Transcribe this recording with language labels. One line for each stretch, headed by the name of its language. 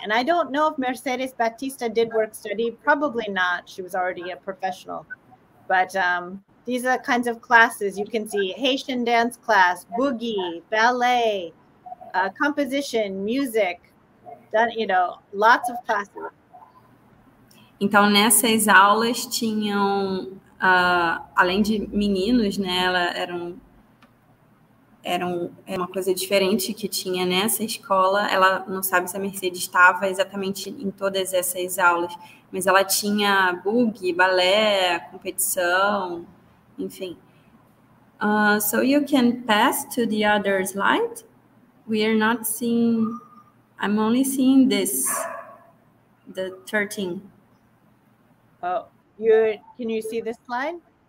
English: And I don't know if Mercedes Batista did work study, probably not. She was already a professional. But these are the kinds of classes you can see: Haitian dance class, boogie, ballet, composition, music. Lots of classes.
Portuguese: Então nessas aulas tinham, além de meninos, né? Era uma coisa diferente que tinha nessa escola. Ela não sabe se a Mercedes estava exatamente em todas essas aulas, mas ela tinha boogie, balé, competição, enfim.
English: So you can pass to the other slide. We are not seeing, I'm only seeing this, the 13. Oh, can you see this slide?